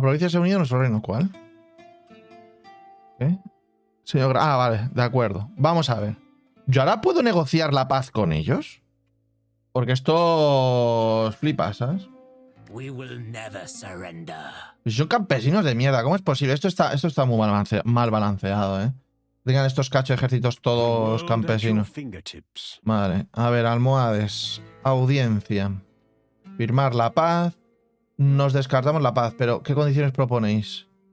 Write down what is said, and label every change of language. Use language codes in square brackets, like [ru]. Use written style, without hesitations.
[es] provincia se ha unido a nuestro reino. ¿Cuál? ¿Eh? Señor... Ah, vale, de acuerdo. Vamos a ver. ¿Yo ahora puedo negociar la paz con ellos? Porque esto... flipa, ¿sabes? [en] We will never surrender. [es] Son campesinos de mierda. ¿Cómo es posible? Esto está muy mal balanceado, ¿eh? Tengan estos cacho ejércitos todos campesinos. Vale, a ver, almohades, audiencia, firmar la paz, nos descartamos la paz, pero ¿qué condiciones proponéis?